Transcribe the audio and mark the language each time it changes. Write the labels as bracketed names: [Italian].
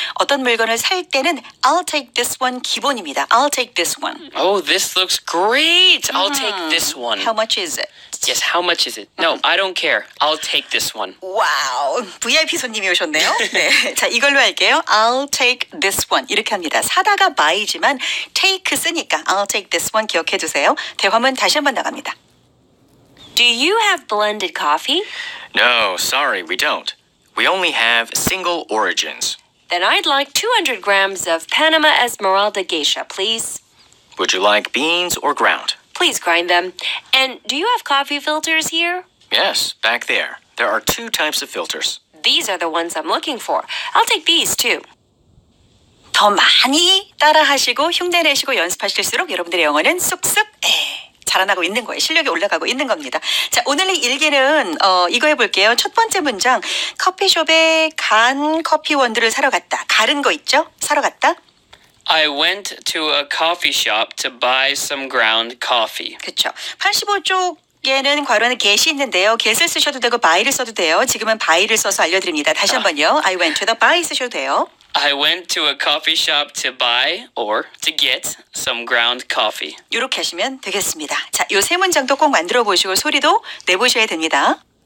[Korean] 어떤 물건을 살 때는 [English] I'll take this one [Korean] 기본입니다. [English] I'll take this one. Oh, this looks great. I'll take this one. How much is it? Yes, how much is it? No, I don't care. I'll take this one. [Korean] Wow, VIP 손님이 오셨네요. 네, 자, 이걸로 할게요. [English] I'll take this one. [Korean] 이렇게 합니다. 사다가 buy지만 take 쓰니까 [English] I'll take this one [Korean] 기억해 주세요. 대화문 다시 한번 나갑니다. [English] Do you have blended coffee? No, sorry, we don't. We only have single origins. Then I'd like 200 grams of Panama Esmeralda Geisha, please. Would you like beans or ground? Please grind them. And do you have coffee filters here? Yes, back there. There are two types of filters. These are the ones I'm looking for. I'll take these too. [Korean] 더 많이 따라하시고 흉내내시고 연습하실수록 여러분들의 영어는 쑥쑥 자라나고 있는 거예요. 실력이 올라가고 있는 겁니다. 자, 오늘의 일기는 이거 해볼게요. 첫 번째 문장. 커피숍에 간 커피 원두를 사러 갔다. 가른 거 있죠? 사러 갔다. [English] I went to a coffee shop to buy some ground coffee. [Korean] 그렇죠. 85쪽에는 괄호는 get이 있는데요. get을 쓰셔도 되고 buy를 써도 돼요. 지금은 buy를 써서 알려드립니다. 다시 한 번요. [English] I went to the buy [Korean] 쓰셔도 돼요. [English] I went to a coffee shop to buy or to get some ground coffee. [Korean] 이렇게 하시면 되겠습니다. 자, 요 세 문장도 꼭 만들어 보시고 소리도 내보셔야 됩니다.